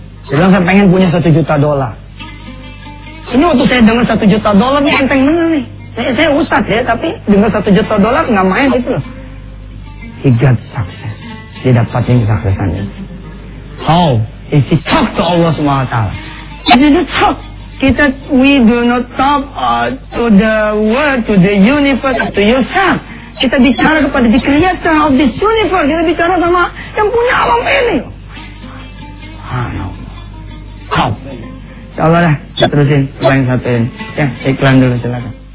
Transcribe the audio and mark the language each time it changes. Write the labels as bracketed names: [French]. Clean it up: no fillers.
[Indonesian] Dia bilang, saya pengen punya $1,000,000. Ini waktu saya dengar $1,000,000, ini enteng bener nih. Saya ustadz ya, tapi dengar $1,000,000 gak main gitu loh. [English] He got success. [Indonesian] Dia dapatin kesuksesannya. [English] How? If he talk to Allah SWT. He didn't talk. Kita, we do not talk to the world, to the universe, to yourself. [Indonesian] Kita bicara kepada [English] the creator of this universe. [Indonesian] Kita bicara sama yang punya alam ini. Subhanallah. Insyaallah lah. Kita terusin. Yang satu ini. Ya, iklan dulu silakan.